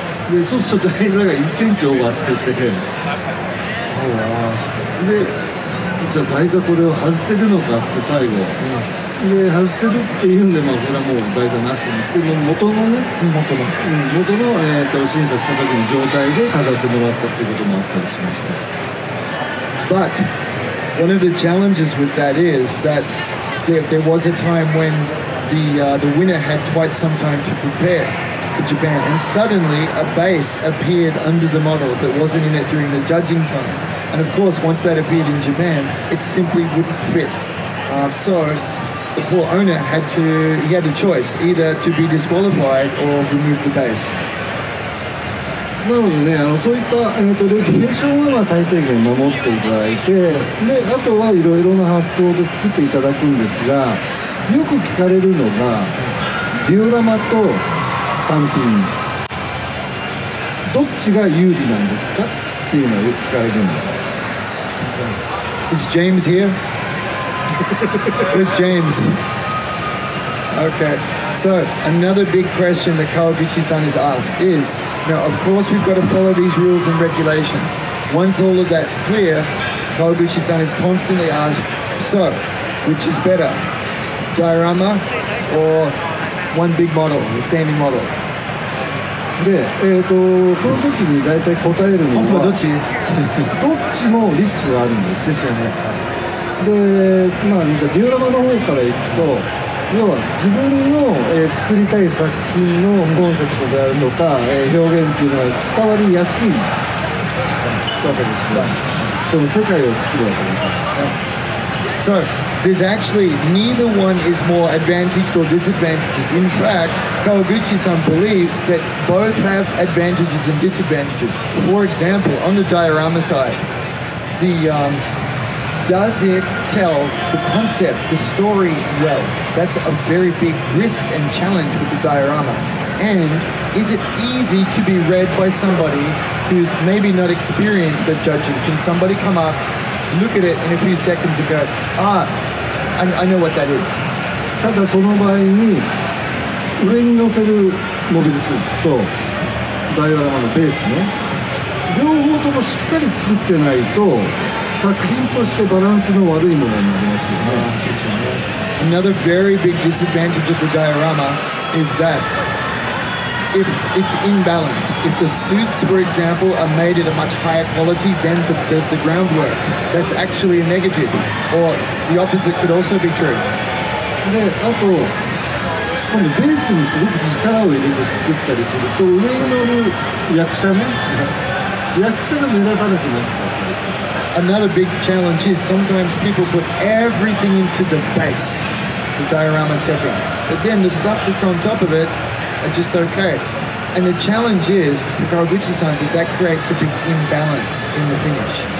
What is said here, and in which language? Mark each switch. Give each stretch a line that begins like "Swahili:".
Japanese: うん、で、そうすると台座が1センチオーバーしてて、で、じゃあ台座これを外せるのかって最後、うん、で、外せるっていうんで、まあそれはもう台座なしにして、もう元のね、元の、審査した時の状態で飾ってもらったっていうこともあったりしました。
English: But one of the challenges with that is that there was a time when the winner had quite some time to prepare for Japan, and suddenly a base appeared under the model that wasn't in it during the judging time. And of course, once that appeared in Japan, it simply wouldn't fit. So the poor owner had a choice, either to be disqualified or remove the base.
Japanese: なのでね、そういった、レギュレーションは最低限守っていただいて、で、あとはいろいろな発想で作っていただくんですが、よく聞かれるのが、デュオラマと単品、どっちが有利なんですかっていうのをよく聞かれるんです。
English: Is James here? Where's James? Okay. So, another big question that Kawaguchi-san has asked is, now, of course, we've got to follow these rules and regulations. Once all of that's clear, Kawaguchi-san is constantly asked, so, which is better, diorama or one big model, the standing model?
Japanese: で、その時に大体答えるのは、本当はどっち？どっちもリスクがあるんです。ですよね。で、まあ、じゃあ、デュオラマの方からいくと、要は自分の作りたい作品のコンセプトであるとか表現っていうのは伝わりやすいわけですよ。
English: So there's actually neither one is more advantaged or disadvantages. In fact, Kawaguchi-san believes that both have advantages and disadvantages. For example, on the diorama side, the does it tell the concept, the story well? That's a very big risk and challenge with the diorama. And is it easy to be read by somebody who's maybe not experienced at judging? Can somebody come up, look at it in a few seconds and go, ah, I know what that is?
Japanese: ただその場合に上に乗せるモビルスーツとダイアラマのベースね、両方ともしっかり作ってないと作品としてバランスの悪いものになりますよね。ですよね。
English: Another very big disadvantage of the diorama is that if it's imbalanced, if the suits, for example, are made at a much higher quality than the groundwork, that's actually a negative. Or the opposite could also be true.
Japanese: で、あと、このベースにすごく力を入れて作ったりすると、上に乗る役者ね、役者が目立たなくなっちゃうんです。
English: Another big challenge is sometimes people put everything into the base, the diorama setting. But then the stuff that's on top of it are just okay. And the challenge is, for Kawaguchi-san, that creates a big imbalance in the finish.